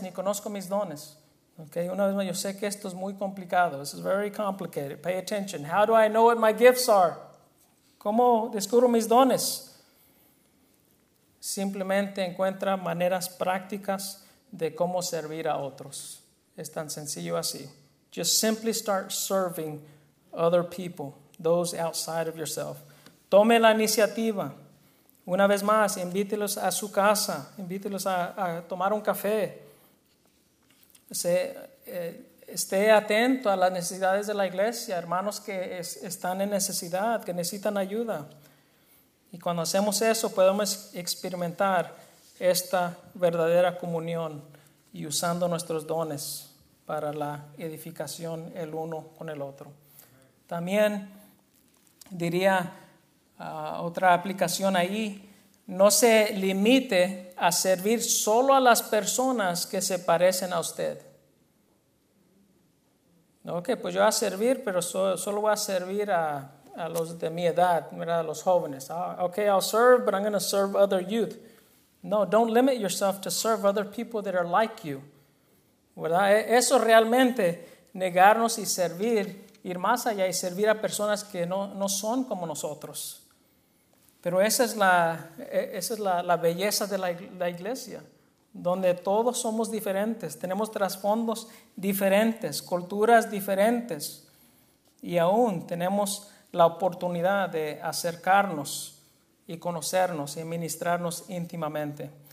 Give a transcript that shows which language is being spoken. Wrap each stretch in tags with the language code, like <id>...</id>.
<es>Ni conozco mis dones. Okay, una vez más, yo sé que esto es muy complicado.</es> <en>This is very complicated. Pay attention. How do I know what my gifts are?</en> <es>¿Cómo descubro mis dones? Simplemente encuentra maneras prácticas de cómo servir a otros. Es tan sencillo así.</es> <en>Just simply start serving other people, those outside of yourself.</en> <es>Tome la iniciativa. Una vez más, invítelos a su casa. Invítelos a tomar un café. Esté atento a las necesidades de la iglesia, hermanos que están en necesidad, que necesitan ayuda. Y cuando hacemos eso, podemos experimentar esta verdadera comunión y usando nuestros dones para la edificación el uno con el otro. También diría otra aplicación ahí, no se limite a servir solo a las personas que se parecen a usted. Ok, pues yo voy a servir, pero solo voy a servir a los de mi edad, ¿verdad? A los jóvenes.</es> <en>Ok, I'll serve, but I'm going to serve other youth. No, don't limit yourself to serve other people that are like you.</en> <es>¿Verdad? Eso realmente, negarnos y servir, ir más allá y servir a personas que no son como nosotros. Pero esa es la belleza de la iglesia, donde todos somos diferentes, tenemos trasfondos diferentes, culturas diferentes, y aún tenemos la oportunidad de acercarnos y conocernos y ministrarnos íntimamente.</es>